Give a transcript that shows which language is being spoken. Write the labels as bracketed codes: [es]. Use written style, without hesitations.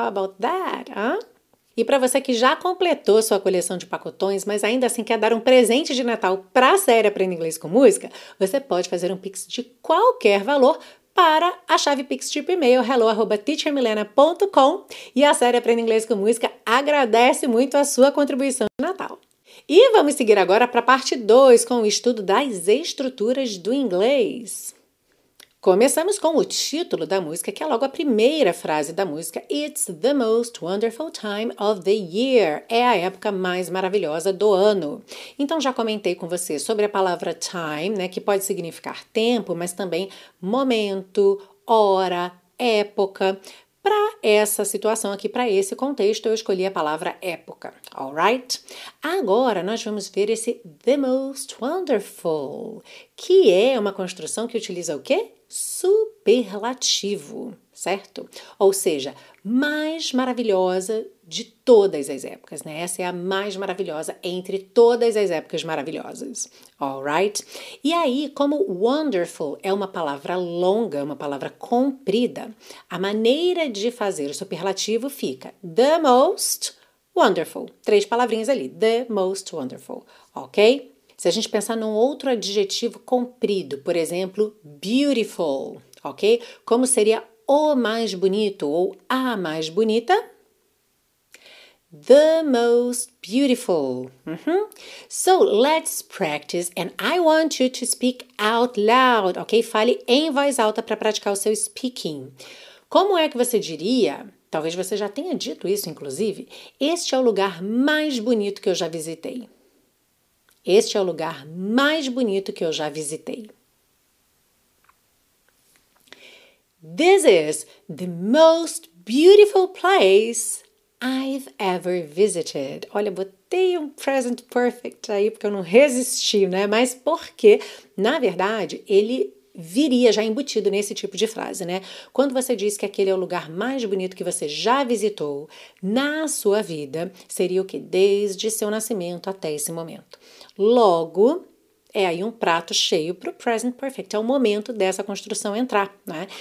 [en] How about that, huh? [pt] E para você que já completou sua coleção de pacotões, mas ainda assim quer dar um presente de Natal para a série Aprenda Inglês com Música, você pode fazer um Pix de qualquer valor para a chave Pix tipo e-mail hello@teachermilena.com e a série Aprenda Inglês com Música agradece muito a sua contribuição de Natal. E vamos seguir agora para a parte 2, com o estudo das estruturas do inglês. Começamos com o título da música, que é logo a primeira frase da música. [en] It's the most wonderful time of the year. [pt] É a época mais maravilhosa do ano. Então, já comentei com você sobre a palavra time, né, que pode significar tempo, mas também momento, hora, época. Para essa situação aqui, para esse contexto, eu escolhi a palavra época. Alright? Agora nós vamos ver esse [en] the most wonderful, [pt] que é uma construção que utiliza o quê? Superlativo, certo? Ou seja, mais maravilhosa de todas as épocas, né? Essa é a mais maravilhosa entre todas as épocas maravilhosas. Alright? E aí, como wonderful é uma palavra longa, uma palavra comprida, a maneira de fazer o superlativo fica [en] the most wonderful. [pt] Três palavrinhas ali, [en] the most wonderful, [pt] ok? Se a gente pensar num outro adjetivo comprido, por exemplo, beautiful, ok? Como seria o mais bonito ou a mais bonita? [en] The most beautiful. So let's practice and I want you to speak out loud, ok? [pt] Fale em voz alta para praticar o seu speaking. Como é que você diria? Talvez você já tenha dito isso, inclusive. Este é o lugar mais bonito que eu já visitei. Este é o lugar mais bonito que eu já visitei. [en] This is the most beautiful place I've ever visited. [pt] Olha, botei um present perfect aí porque eu não resisti, né? Mas porque, na verdade, ele viria já embutido nesse tipo de frase, né? Quando você diz que aquele é o lugar mais bonito que você já visitou na sua vida, seria o quê? Desde seu nascimento até esse momento. Logo, é aí um prato cheio para o present perfect. É o momento dessa construção entrar, né?